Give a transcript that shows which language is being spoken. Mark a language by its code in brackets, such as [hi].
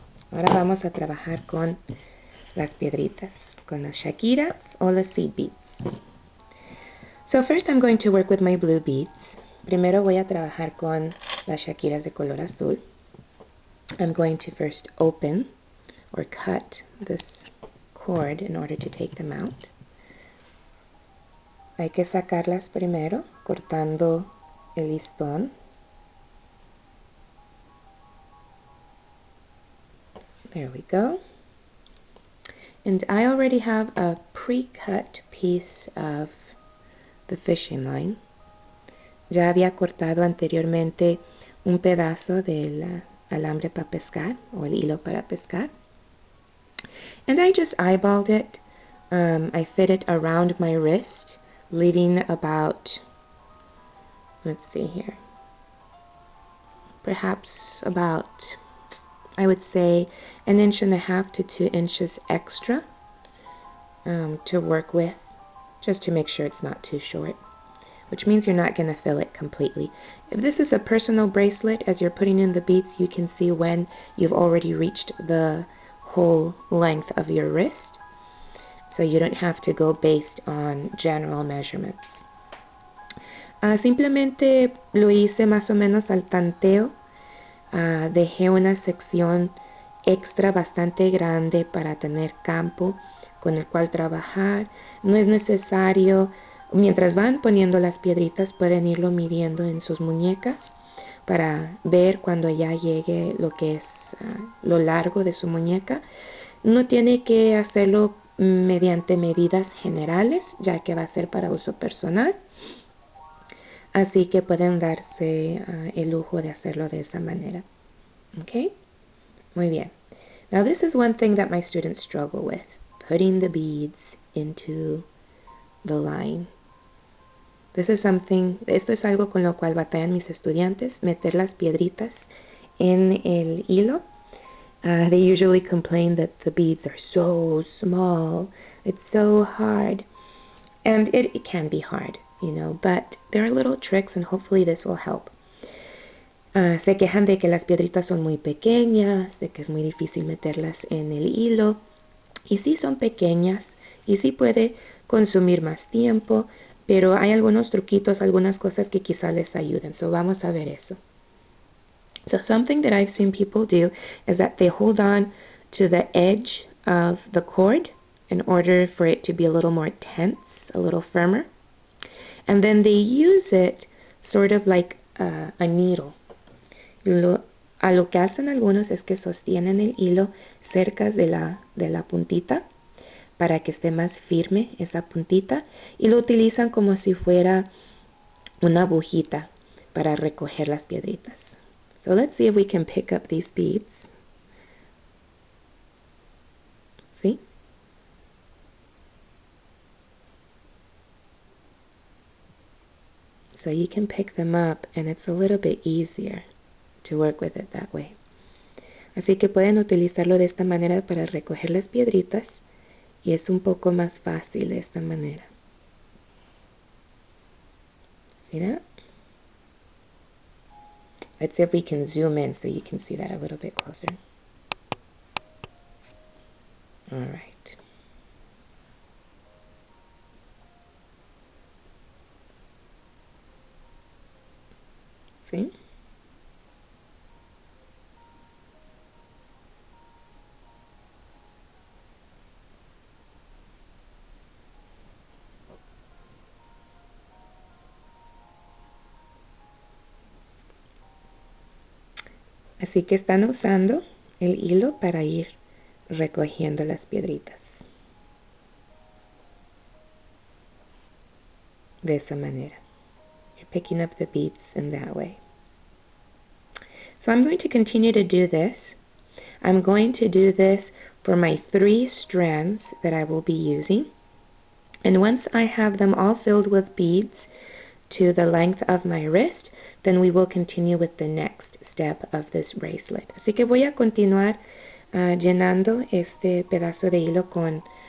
[es] Ahora vamos a trabajar con las piedritas, con las shakiras o las seed beads. [en] So first I'm going to work with my blue beads. [es] Primero voy a trabajar con las shakiras de color azul. [en] I'm going to first open or cut this cord in order to take them out. [es] Hay que sacarlas primero cortando el listón. [en] There we go. And I already have a pre-cut piece of the fishing line. [es] Ya había cortado anteriormente un pedazo del alambre para pescar o el hilo para pescar. [en] And I just eyeballed it. I fit it around my wrist, leaving about, let's see here, perhaps about, I would say, 1.5 to 2 inches extra to work with, just to make sure it's not too short, which means you're not going to fill it completely. If this is a personal bracelet, as you're putting in the beads, you can see when you've already reached the whole length of your wrist, so you don't have to go based on general measurements. [es] Simplemente lo hice más o menos al tanteo. Dejé una sección extra bastante grande para tener campo con el cual trabajar. No es necesario, mientras van poniendo las piedritas, pueden irlo midiendo en sus muñecas para ver cuando ya llegue lo que es lo largo de su muñeca. No tiene que hacerlo mediante medidas generales, ya que va a ser para uso personal. Así que pueden darse el lujo de hacerlo de esa manera. Okay? Muy bien. [en] Now this is one thing that my students struggle with. Putting the beads into the line. This is something, [es] esto es algo con lo cual batallan mis estudiantes. Meter las piedritas en el hilo. [en] They usually complain that the beads are so small. It's so hard. And it can be hard. You know, but there are little tricks, and hopefully this will help. [es] Se quejan de que las piedritas son muy pequeñas, de que es muy difícil meterlas en el hilo. Y sí son pequeñas, y sí puede consumir más tiempo, pero hay algunos truquitos, algunas cosas que quizá les ayuden. So vamos a ver eso. [en] So something that I've seen people do is that they hold on to the edge of the cord in order for it to be a little more tense, a little firmer. And then they use it sort of like a needle. [es] Lo que hacen algunos es que sostienen el hilo cerca de la puntita para que esté más firme esa puntita y lo utilizan como si fuera una agujita para recoger las piedritas. [en] So let's see if we can pick up these beads. [es] ¿Sí? [en] So you can pick them up, and it's a little bit easier to work with it that way. [es] Así que pueden utilizarlo de esta manera para recoger las piedritas, y es un poco más fácil de esta manera. [en] See that? Let's see if we can zoom in so you can see that a little bit closer. All right. [es] Así que están usando el hilo para ir recogiendo las piedritas de esa manera. [en] Picking up the beads in that way. So I'm going to continue to do this. I'm going to do this for my 3 strands that I will be using. And once I have them all filled with beads to the length of my wrist, then we will continue with the next step of this bracelet. [es] Así que voy a continuar llenando este pedazo de hilo con